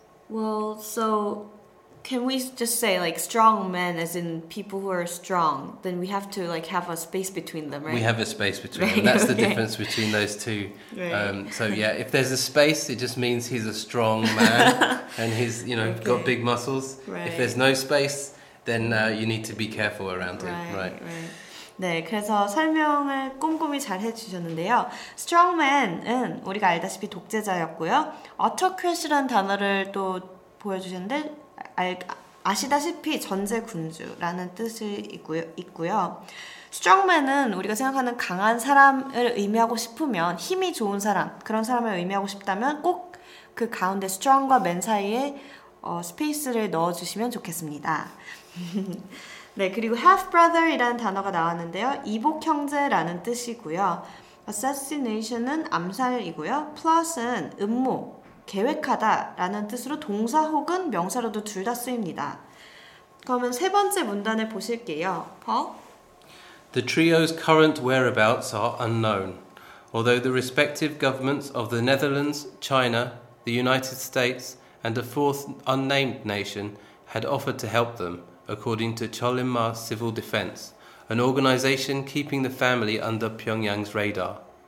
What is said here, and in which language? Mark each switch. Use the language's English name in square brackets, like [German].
[English] Well, so can we just say, like, strong men, as in people who are strong, then we have to, like, have a space between them, right? We have a space between them. That's the difference between those two. Right. So, yeah, if there's a space, it just means he's a strong man and he's, you know, got big muscles. Right. If there's no space, then you need to be careful around him. Right. [Korean] 네, 그래서 설명을 꼼꼼히 잘 해주셨는데요. Strongman은 우리가 알다시피 독재자였고요. Autocrat이라는 단어를 또 보여주셨는데 아시다시피 전제군주라는 뜻이 있고요. Strongman은 우리가 생각하는 강한 사람을 의미하고 싶으면 힘이 좋은 사람, 그런 사람을 의미하고 싶다면 꼭 그 가운데 strong과 man 사이에 스페이스를 넣어주시면 좋겠습니다. 네, 그리고 half brother이라는 단어가 나왔는데요. 이복 형제라는 뜻이고요. assassination은 암살이고요. plus은 음모, 계획하다 라는 뜻으로 동사 혹은 명사로도 둘 다 쓰입니다. 그러면 세 번째 문단을 보실게요. [English] Paul? The trio's current whereabouts are unknown, although the respective governments of the Netherlands, China, the United States, and a fourth unnamed nation had offered to help them, according to Cholimma Civil Defense, an organization keeping the family under Pyongyang's radar.